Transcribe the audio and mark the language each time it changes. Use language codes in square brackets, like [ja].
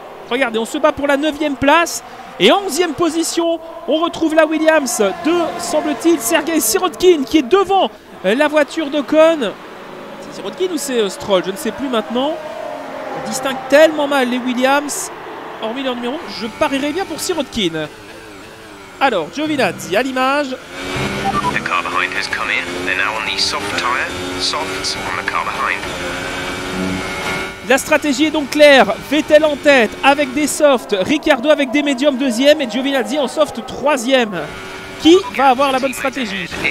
[fr] Regardez, on se bat pour la 9ème place. Et 11ème position, on retrouve la Williams de, semble-t-il, Sergei Sirotkin qui est devant la voiture d'Ocon. C'est Sirotkin ou c'est Stroll? Je ne sais plus maintenant. On distingue tellement mal les Williams. Hormis leur numéro, je parierais bien pour Sirotkin. Alors, Giovinazzi à l'image. [en] The car behind has come in. They're now on the soft tire. Softs on the car behind. [fr] La stratégie est donc claire. Vettel en tête avec des softs. Ricciardo avec des médiums deuxième et Giovinazzi en soft troisième. Qui va avoir la bonne stratégie?